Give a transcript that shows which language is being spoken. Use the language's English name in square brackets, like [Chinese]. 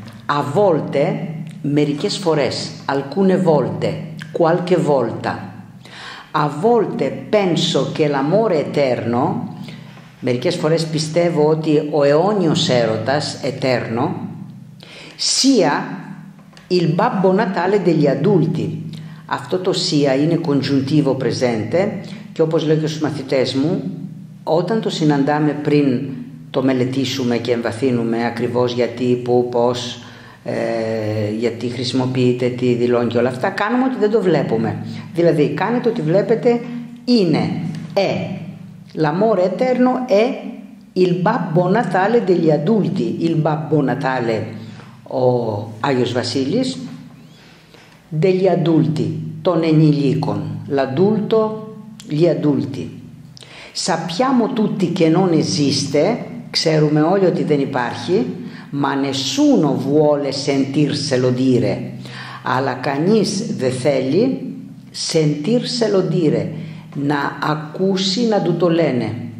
[Italian] A volte, [Greek] μερικές φορές, [Italian] alcune volte, qualche volta. A volte penso che l'amore eterno, [Greek] μερικές φορές πιστεύω ότι ο αιώνιος έρωτας, [Italian] eterno, sia il Babbo Natale degli adulti. [Greek] Αυτό το sia είναι congiuntivo presente και όπως λέω και στους μαθητές μου, όταν το συναντάμε πριν το μελετήσουμε και εμβαθύνουμε ακριβώς γιατί, πού, πώς, γιατί χρησιμοποιείται, τι δηλώνει και όλα αυτά, κάνουμε ότι δεν το βλέπουμε. Δηλαδή, κάνετε ότι βλέπετε, είναι, [Italian] l'amore eterno è il Babbo Natale degli adulti, il Babbo Natale, [Greek] ο Άγιος Βασίλης, [Italian] degli adulti, [Greek] των ενηλίκων, [Italian] l'adulto, gli adulti. Sappiamo tutti che non esiste, [Greek] ξέρουμε όλοι ότι δεν υπάρχει, [Italian] ma nessuno vuole sentirselo dire, [Greek] αλλά κανείς δεν θέλει [Italian] sentirselo dire, [Greek] να ακούσει να του το λένε.